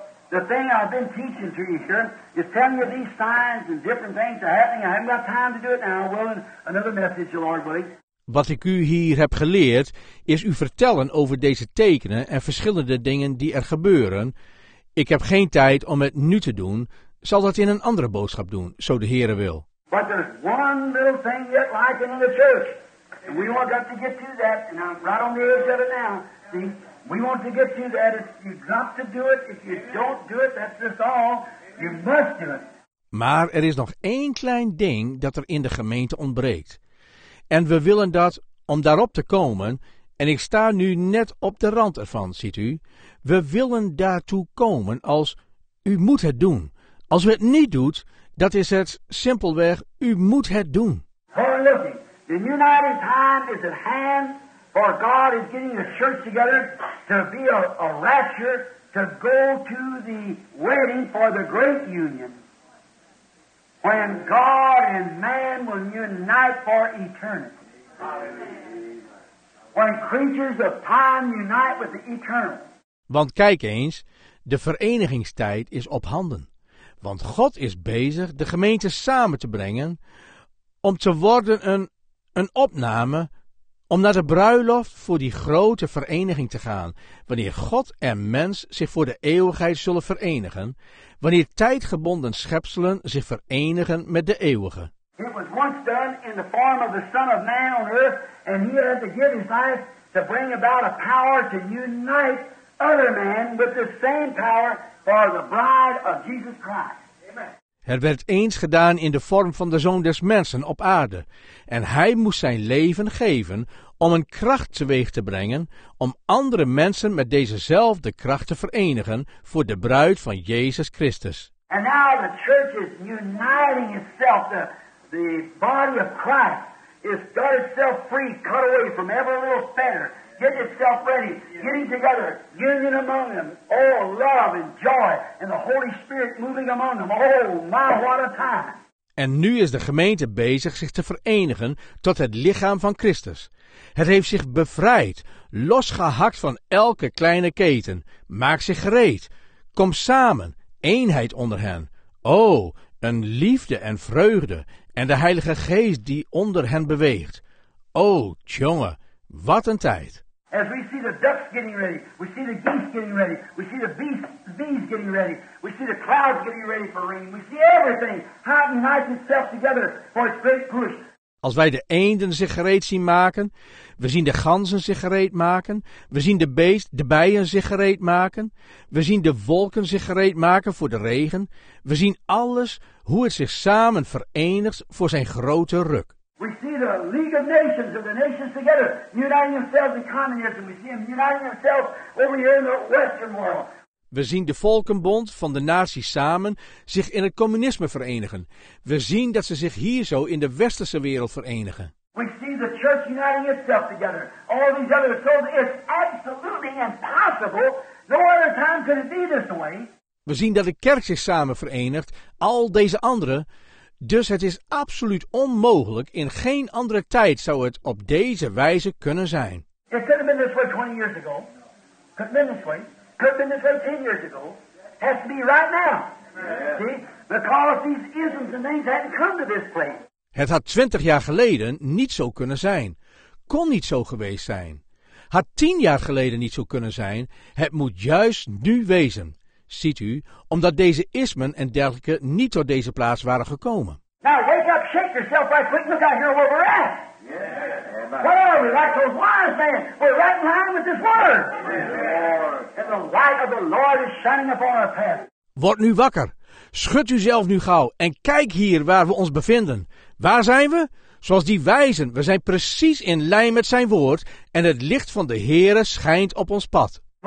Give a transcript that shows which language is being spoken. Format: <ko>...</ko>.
<en>The thing I've been teaching to you, sir, is telling you these signs and different things are happening. I haven't got time to do it now. Well, another message, Lord, willing.</en> <nl>Wat ik u hier heb geleerd, is u vertellen over deze tekenen en verschillende dingen die er gebeuren. Ik heb geen tijd om het nu te doen. Zal dat in een andere boodschap doen, zo de Heere wil.</nl> <en>But there's one little thing yet lacking in the church. And we want to get to that. And I'm right on the edge of it now. See, we want to get to that. If you've got to do it. If you don't do it, that's just all. You must do it.</en> <nl>Maar er is nog één klein ding dat er in de gemeente ontbreekt. En we willen dat, om daarop te komen... En ik sta nu net op de rand ervan, ziet u. We willen daartoe komen als u moet het doen. Als u het niet doet, dat is het simpelweg, u moet het doen.</nl> <en>For looking, the uniting time is at hand, for God is getting the church together to be a rapture, to go to the wedding for the great union, when God and man will unite for eternity. When creatures of time unite with the eternal.</en> <nl>Want kijk eens, de verenigingstijd is op handen. Want God is bezig de gemeente samen te brengen om te worden een opname om naar de bruiloft voor die grote vereniging te gaan. Wanneer God en mens zich voor de eeuwigheid zullen verenigen. Wanneer tijdgebonden schepselen zich verenigen met de eeuwige.</nl> <en>It was once done in the form of the Son of Man on earth and he had to give his life to bring about a power to unite other men with the same power. For the bride of Jesus Christ. Amen.</en> <nl>Het werd eens gedaan in de vorm van de Zoon des Mensen op aarde. En hij moest zijn leven geven om een kracht teweeg te brengen... om andere mensen met dezezelfde kracht te verenigen voor de bruid van Jezus Christus. En nu is de kerk</nl> <en>uniting itself, the body of Christ, is got itself free, cut away from every little fetter. Get yourself ready. Yes. Getting together. Union among them. Oh, love and joy and the Holy Spirit moving among them. Oh, my, what a time.</en> <nl>En nu is de gemeente bezig zich te verenigen tot het lichaam van Christus. Het heeft zich bevrijd, losgehakt van elke kleine keten. Maak zich gereed. Kom samen, eenheid onder hen. O, een liefde en vreugde en de Heilige Geest die onder hen beweegt. O, tjonge, wat een tijd.</nl> <en>As we see the ducks getting ready, we see the geese getting ready, we see the bees getting ready, we see the clouds getting ready for rain, we see everything hot and hides itself together for its great push.</en> <nl>Als wij de eenden zich gereed zien maken, we zien de ganzen zich gereed maken, we zien de bijen zich gereed maken, we zien de wolken zich gereed maken voor de regen, we zien alles hoe het zich samen verenigt voor zijn grote ruk.</nl> <en>We see the League of Nations of the nations together, uniting themselves in communism. We see them uniting themselves over here in the Western world.</en> <nl>We zien de Volkenbond van de naties samen zich in het communisme verenigen. We zien dat ze zich hier zo in de westerse wereld verenigen.</nl> <en>We see the church uniting itself together. All these other souls, it's absolutely impossible. No other time could it be this way.</en> <nl>We zien dat de kerk zich samen verenigt, al deze anderen. Dus het is absoluut onmogelijk, in geen andere tijd zou het op deze wijze kunnen zijn.</nl> <en>It could have been this way 20 years ago. Could have been this way. Could have been this way 10 years ago. Has to be right now. Yeah. See? Because these isms and things hadn't come to this place.</en> <nl>Het had 20 jaar geleden niet zo kunnen zijn. Kon niet zo geweest zijn. Had 10 jaar geleden niet zo kunnen zijn. Het moet juist nu wezen. Ziet u, omdat deze ismen en dergelijke niet tot deze plaats waren gekomen.</nl> <en>Now wake up, shake yourself right quick, look out here where we're at. What are we, like those wise men? We're right in line with this word. Yes. And the light of the Lord is shining upon our path.</en> <nl>Word nu wakker. Schud uzelf nu gauw en kijk hier waar we ons bevinden. Waar zijn we? Zoals die wijzen, we zijn precies in lijn met zijn woord en het licht van de Heere schijnt op ons pad.</nl>